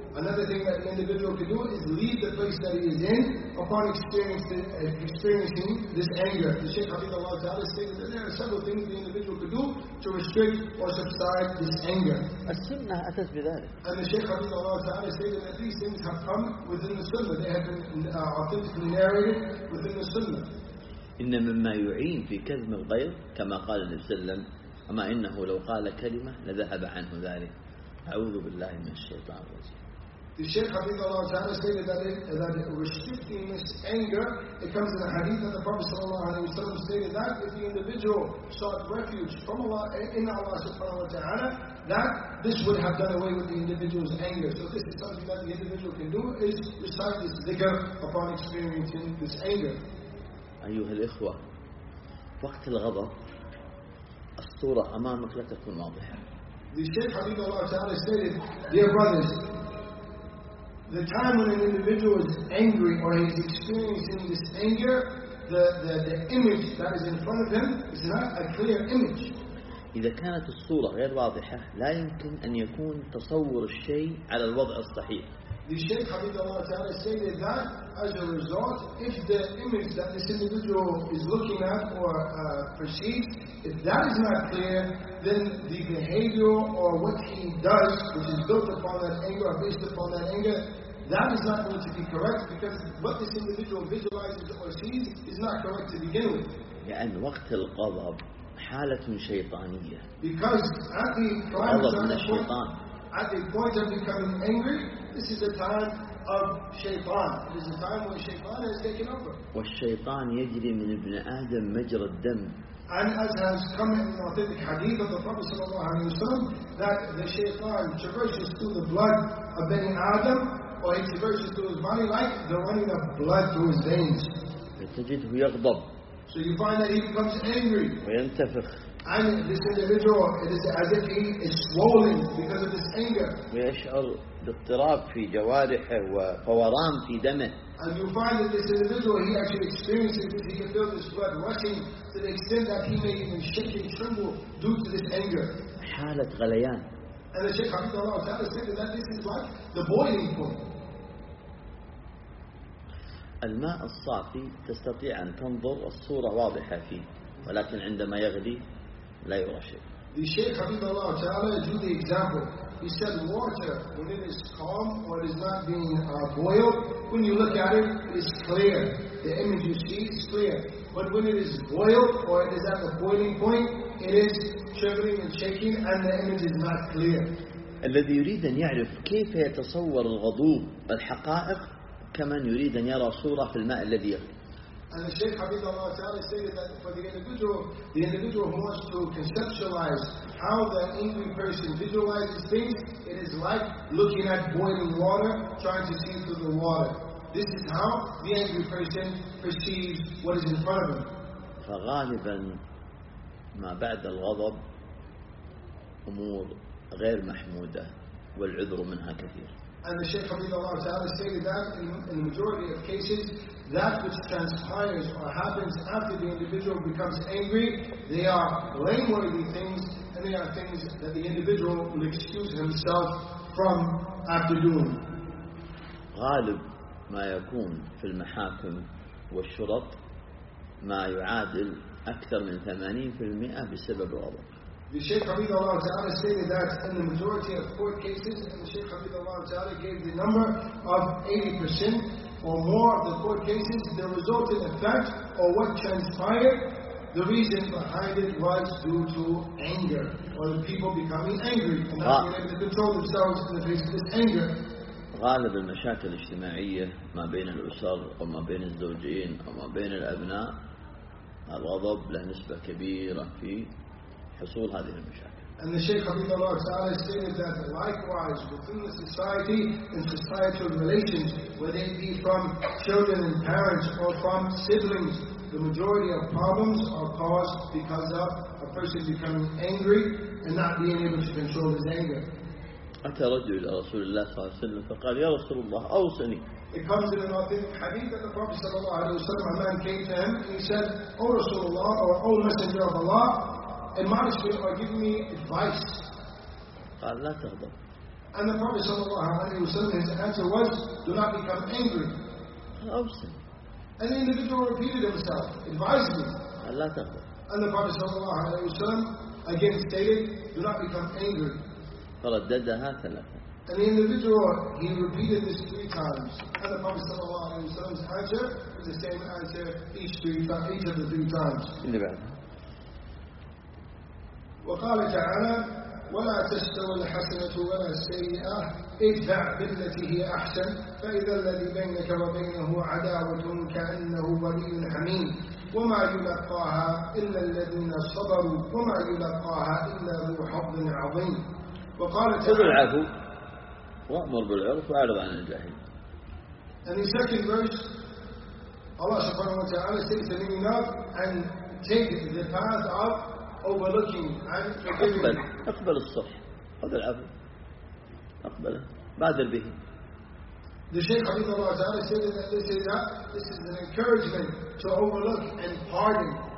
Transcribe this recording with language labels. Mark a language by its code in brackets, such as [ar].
[en] Another thing that the individual can do is leave the place that he is in upon experiencing this anger. The Shaykh Hafidhullah Ta'ala stated that there are several things the individual could do to restrict or subside this anger. [ar] السنه اتت بذلك. [en] And the Shaykh Hafidhullah Ta'ala stated that these things have come within the sunnah. They have been authentically narrated within the sunnah. [ar] إن مما يعين في كذب الغيظ كما قال النبي صلى الله عليه وسلم أما إنه لو قال كلمة لذهب عنه ذلك. أعوذ بالله من الشيطان الرجيم. [en] The Shaykh Hafidhullah Ta'ala stated that restricting this anger, it comes in the hadith that the Prophet sallallahu alayhi wa sallam stated that if the individual sought refuge from Allah in Allah subhanahu wa ta'ala, that this would have done away with the individual's anger. So this is something that the individual can do, is recite this zikr upon experiencing this anger. [ar] أيها الإخوة، وقت الغضب الصورة أمامك لا تكون واضحة. [en] The Shaykh Hafidhullah Ta'ala stated, dear brothers, the time when an individual is angry or he's experiencing this anger, the image that is in front of him is not a clear image. [ar] إذا كانت الصورة غير واضحة لا يمكن أن يكون تصور الشيء على الوضع الصحيح. [en] The Shaykh Hafidhullah Ta'ala stated that as a result, if the image that this individual is looking at or perceives, if that is not clear, then the behavior or what he does, which is built upon that anger or based upon that anger, that is not going to be correct because what this individual visualizes or sees is not correct to begin with. [ar] يعني وقت الغضب حالة شيطانية. [en] Because at the climate of the at the point of becoming angry, this is a time of shaytan. It is a time when shaytan has taken over. [ar] والشيطان يجري من ابن آدم مجرى الدم. [en] And as has come in the authentic hadith of the Prophet sallallahu alaihi wasallam, that the shaytan traverses through the blood of Bani Adam, or he traverses through his body like the running of blood through his veins. [ar] فتجده يغضب. [en] So you find that he becomes angry. [ar] وينتفخ. [en] And this individual, it is as if he is swollen because of this anger. [ar] ويشعر باضطراب في جوارحه وفوران في دمه. [en] And you find that this individual, he actually experiences this, he can feel this blood rushing to the extent that he may even shake and tremble due to this anger. [ar] حالة غليان. [en] And the Shaykh Hafidhullah Ta'ala said that this is like the boiling point. [ar] الماء الصافي تستطيع أن تنظر الصورة واضحة فيه، ولكن عندما يغلي لا يرى شيء. [en] The Shaykh Hafidhullah Ta'ala drew the example. He said, water, when it is calm or it is not being boiled, when you look at it, it is clear. The image you see is clear. But when it is boiled or it is at the boiling point, it is trembling and shaking and the image is not clear. [ar] الذي يريد أن يعرف كيف يتصور الغضوب الحقائق كمن يريد أن يرى صورة في الماء الذي يغلي. [en] And the Sheikh Habib Allah Ta'ala stated that for the individual who wants to conceptualize how the angry person visualizes things, it is like looking at boiling water, trying to see through the water. This is how the angry person perceives what is in front of him. [ar] فغالبا ما بعد الغضب أمور غير محمودة والعذر منها كثير. [en] And the Shaykh Habib Allah Ta'ala stated that in the majority of cases, that which transpires or happens after the individual becomes angry, they are blameworthy things, and they are things that the individual will excuse himself from after doing. [ar] غالب ما يكون في المحاكم والشرط ما يعادل أكثر من 80% بسبب الغضب. [en] The Shaykh Habib Allah Ta'ala stated that in the majority of court cases, and the Shaykh Habib Allah Ta'ala gave the number of 80% or more of the court cases, the resulting effect or what transpired, the reason behind it was due to anger, or the people becoming angry and not being able to control themselves in the face of this anger. [ar] غالب المشاكل الاجتماعية ما بين الأسر أو ما بين الزوجين أو ما بين الأبناء الغضب له نسبة كبيرة في حصول هذه المشاكل. [en] And the Shaykh Habib Allah Ta'ala stated that likewise within the society and societal relations, whether it be from children and parents or from siblings, the majority of problems are caused because of a person becoming angry and not being able to control his anger. [ar] أتى رجل إلى رسول الله صلى الله عليه وسلم فقال يا رسول الله أوصني. [en] It comes in an authentic hadith that the Prophet [ar] صلى الله عليه وسلم, [en] a man came to him and he said, O [ar] رسول الله, [en] or O Messenger of Allah, admonish me or give me advice. [ar] قال لا تغضب. [en] And the Prophet [ar] صلى الله عليه وسلم, [en] his answer was, do not become angry. [ar] أوصني. [en] And the individual repeated himself, advise me. [ar] قال لا تغضب. [en] And the Prophet [ar] صلى الله عليه وسلم [en] again stated, do not become angry. [ar] فرددها ثلاثة. [en] And the individual, he repeated this three times. And the Prophet [ar] صلى الله عليه وسلم's [en] answer is the same answer each of the three times. [ar] اللي بعد. وقال تعالى ولا تستوي الحسنة ولا السيئة ادفع بالتي هي أحسن فإذا الذي بينك وبينه عداوة كأنه ولي حميم وما يلقاها إلا الذين صبروا وما يلقاها إلا ذو حظ عظيم. وقال تعالى وأمر بالعرف وأعرض عن الجاهل. [en] And the second verse, Allah subhanahu wa ta'ala says to him enough and take the path of overlooking and forgiving. [ar] أقبل أقبل الصح هذا العفو أقبله بادر به. [en] The Shaykh Habib Allah Ta'ala said that this is that this is an encouragement to overlook and pardon.